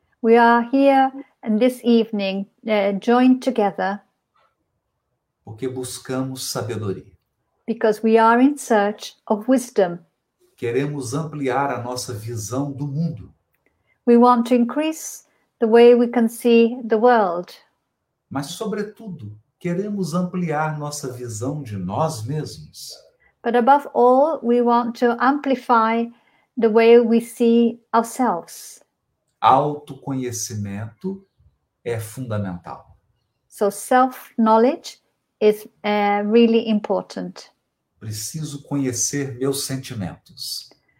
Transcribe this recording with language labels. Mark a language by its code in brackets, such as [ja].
[en] We are here in this evening, joined together. [pt] Porque buscamos sabedoria. [en] Because we are in search of wisdom. [pt] Queremos ampliar a nossa visão do mundo. [en] We want to increase the way we can see the world. [pt] Mas, sobretudo, queremos ampliar nossa visão de nós mesmos. [en] But above all, we want to amplify the way we see ourselves. [pt] Autoconhecimento é fundamental. [en] So self-knowledge is really important. [pt] Preciso conhecer meus sentimentos.